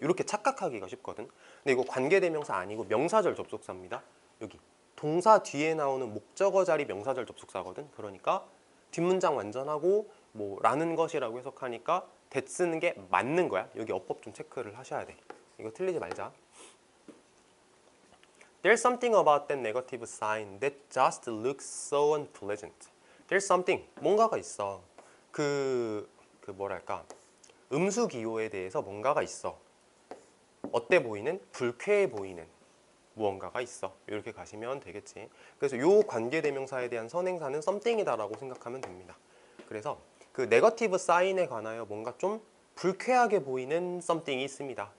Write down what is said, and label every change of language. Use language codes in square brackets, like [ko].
[ko] 이렇게 착각하기가 쉽거든. 근데 이거 관계대명사 아니고 명사절 접속사입니다. 여기 동사 뒤에 나오는 목적어 자리 명사절 접속사거든. 그러니까 뒷문장 완전하고 뭐 라는 것이라고 해석하니까 that 쓰는 게 맞는 거야. 여기 어법 좀 체크를 하셔야 돼. 이거 틀리지 말자. [en] There's something about that negative sign that just looks so unpleasant. There's something. [ko] 뭔가가 있어. 그 뭐랄까. 음수 기호에 대해서 뭔가가 있어. 어때 보이는? 불쾌해 보이는 무언가가 있어. 이렇게 가시면 되겠지. 그래서 요 관계대명사에 대한 선행사는 something이다라고 생각하면 됩니다. 그래서 그 네거티브 사인에 관하여 뭔가 좀 불쾌하게 보이는 something이 있습니다.